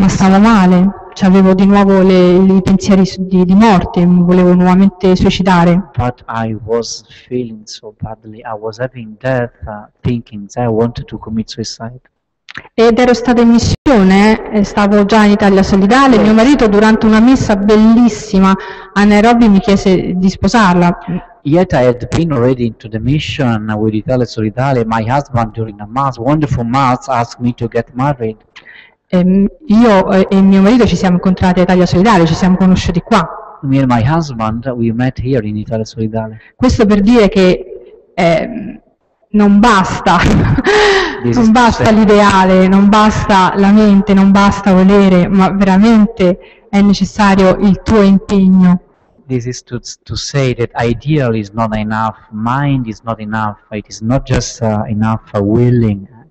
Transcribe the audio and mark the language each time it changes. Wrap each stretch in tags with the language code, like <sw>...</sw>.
<it>Ma stavo male, c'avevo di nuovo i pensieri di morte, mi volevo nuovamente suicidare.</it> <en>But I was feeling so badly, I was having death thinking that I wanted to commit suicide.</en> <it>Ed ero stata in missione, stavo già in Italia solidale, mio marito durante una messa bellissima a Nairobi mi chiese di sposarla.</it> <en>Yet I had been already into the mission with Italia Solidale, my husband during a mass, wonderful mass, asked me to get married.</en> <it>Io e mio marito ci siamo incontrati a Italia Solidale, ci siamo conosciuti qua.</it> <en>Me and my husband, we met here in Italia Solidale.</en> <it>Questo per dire che non basta, non basta l'ideale, non basta la mente, non basta volere, ma veramente è necessario il tuo impegno.</it> <en>This is to say that ideal is not enough, mind is not enough, it is not just enough willing.</en>